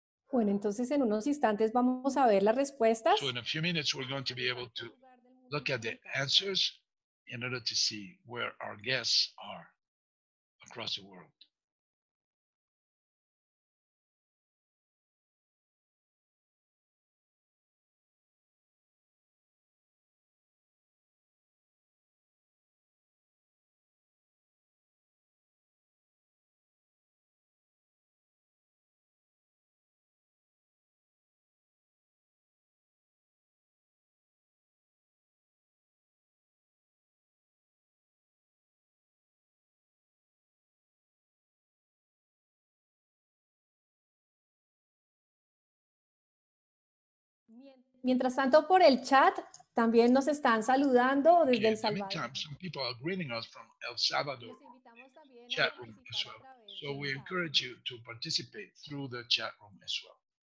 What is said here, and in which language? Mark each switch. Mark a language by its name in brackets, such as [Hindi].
[Spanish] Bueno, entonces en unos instantes vamos a ver las respuestas. [English] So in a few minutes we're going to be able to look at the answers in order to see where our guests are across the world. [Spanish] Mientras tanto, por el chat, también nos están saludando desde El Salvador. [English] Meantime, some people are greeting us from El Salvador chat room as well. So we encourage you to participate through the chat room as well.